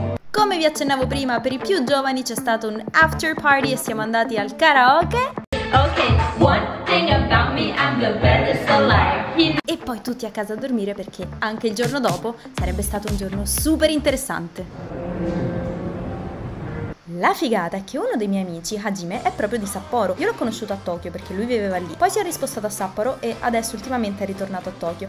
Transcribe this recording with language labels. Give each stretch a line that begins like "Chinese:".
Italian: Come vi accennavo prima, per i più giovani c'è stato un after party e siamo andati al karaoke.
English: Ok, one thing about me, I'm the baddest alive.
Italian: E poi tutti a casa a dormire perché anche il giorno dopo sarebbe stato un giorno super interessante. La figata è che uno dei miei amici, Hajime, è proprio di Sapporo. Io l'ho conosciuto a Tokyo perché lui viveva lì. Poi si è rispostato a Sapporo e adesso ultimamente è ritornato a Tokyo.